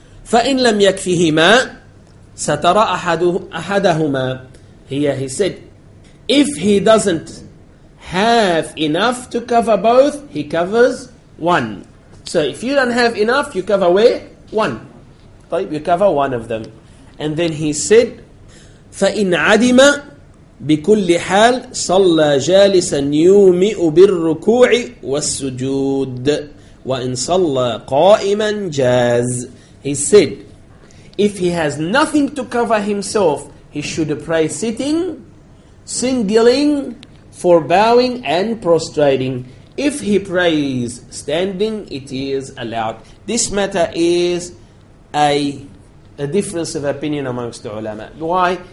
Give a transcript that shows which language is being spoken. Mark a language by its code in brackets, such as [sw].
[ar] فَإِن لَمْ يَكْفِهِمَا سَتَرَى أَحَدَهُمَا. [en] Here he said, if he doesn't have enough to cover both, he covers one. So if you don't have enough, you cover where? One. [ar] طيب, [en] you cover one of them. And then he said, [ar] فَإِنْ عَدِمَا بكل حال صلى جالسا يومئ بالركوع والسجود وإن صلى قائما جاز. [en] He said, if he has nothing to cover himself, he should pray sitting, singling, for bowing and prostrating. If he prays standing, it is allowed. This matter is a difference of opinion amongst the ulama. Why?